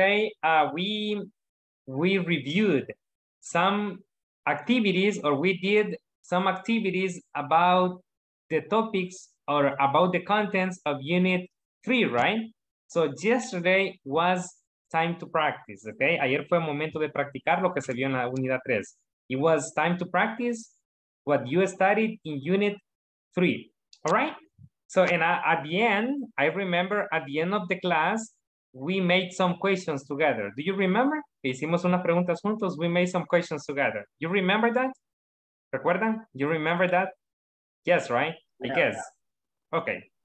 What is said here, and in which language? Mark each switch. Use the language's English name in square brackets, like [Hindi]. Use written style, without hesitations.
[English] So basically yesterday we reviewed some activities or we did some activities about the topics or about the contents of unit 3, right? So yesterday was time to practice, okay? [Spanish] Ayer fue momento de practicar lo que se vio en la unidad 3. [English] It was time to practice what you studied in unit 3, all right? So and at the end, I remember at the end of the class, we made some questions together. Do you remember? [Spanish] Hicimos unas preguntas juntos, [English] we made some questions together. You remember that? [Spanish] ¿Recuerdan? [English] You remember that? Yes, right? I guess. Okay.